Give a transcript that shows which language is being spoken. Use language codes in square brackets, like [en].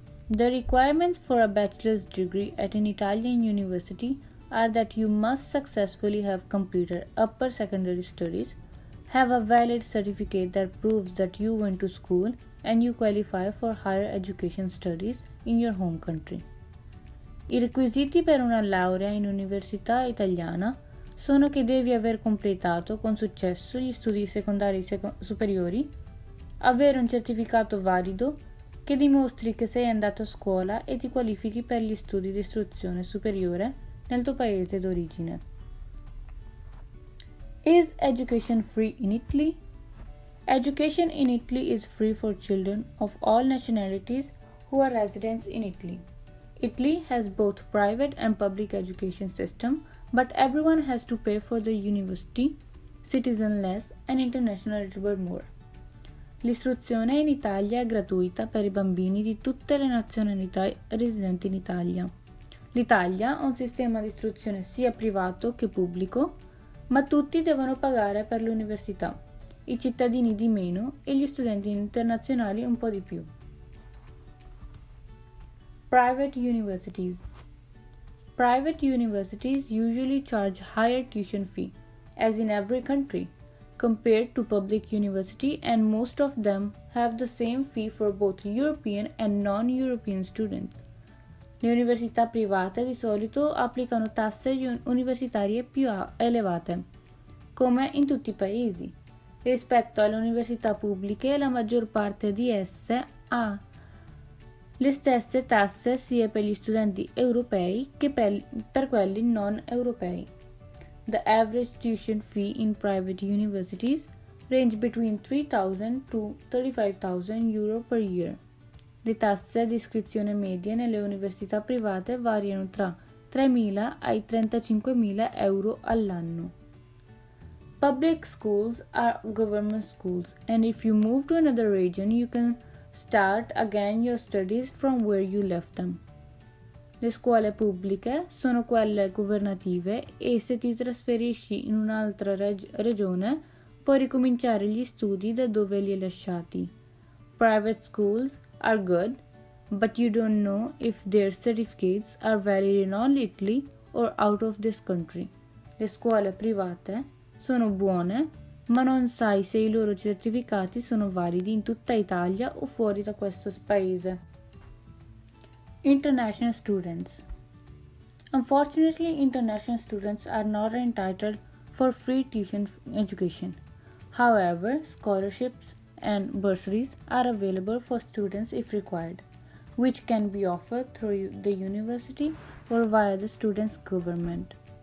[en] The requirements for a bachelor's degree at an Italian university are that you must successfully have completed upper secondary studies, have a valid certificate that proves that you went to school and you qualify for higher education studies in your home country. [it] I requisiti per una laurea in università italiana sono che devi aver completato con successo gli studi secondari superiori, avere un certificato valido che dimostri che sei andato a scuola e ti qualifichi per gli studi di istruzione superiore nel tuo paese d'origine. [en] Is education free in Italy? Education in Italy is free for children of all nationalities who are residents in Italy. Italy has both private and public education system, but everyone has to pay for the university, citizen less and international eligible more. [it] L'istruzione in Italia è gratuita per i bambini di tutte le nazionalità residenti in Italia. L'Italia ha un sistema di istruzione sia privato che pubblico, ma tutti devono pagare per l'università, i cittadini di meno e gli studenti internazionali un po' di più. [en] Private universities. Private universities usually charge higher tuition fee, as in every country, compared to public university, and most of them have the same fee for both European and non-European students. [it] Le università private di solito applicano tasse universitarie più elevate, come in tutti i paesi. Rispetto alle università pubbliche, la maggior parte di esse ha le stesse tasse sia per gli studenti europei che per quelli non europei. [en] The average tuition fee in private universities range between 3,000 to 35,000 euro per year. [it] Le tasse di iscrizione medie nelle università private variano tra 3.000 ai 35.000 euro all'anno. [en] Public schools are government schools, and if you move to another region, you can start again your studies from where you left them. [it] Le scuole pubbliche sono quelle governative e se ti trasferisci in un'altra regione puoi ricominciare gli studi da dove li hai lasciati. [en] Private schools are good, but you don't know if their certificates are valid in all Italy or out of this country. [it] Le scuole private sono buone, ma non sai se i loro certificati sono validi in tutta Italia o fuori da questo paese. [en] International students. Unfortunately, international students are not entitled for free tuition education. However, scholarships and bursaries are available for students if required, which can be offered through the university or via the student's government.